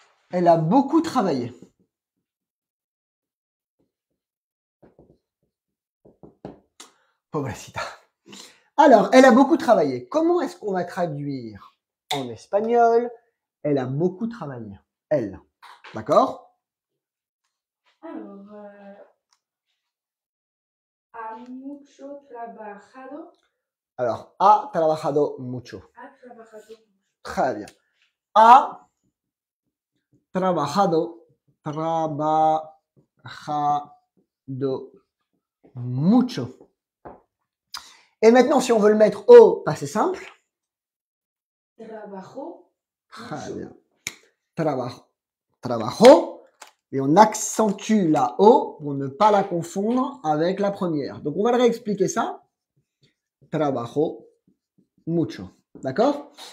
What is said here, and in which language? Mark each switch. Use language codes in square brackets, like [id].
[fr] Elle a beaucoup travaillé. [es] Pobrecita. [fr] Alors, elle a beaucoup travaillé. Comment est-ce qu'on va traduire en espagnol? Elle a beaucoup travaillé. Elle. D'accord? [es] Alors, a mucho trabajado. Alors, a trabajado mucho. A trabajado mucho. [fr] Très bien. [es] A trabajado, trabajado mucho. [fr] Et maintenant, si on veut le mettre au passé simple. [es] Trabajo. [fr] Très bien. [es] Trabajo. [fr] Et on accentue la O pour ne pas la confondre avec la première. Donc, on va réexpliquer ça. [es] Trabajo mucho. [fr] D'accord?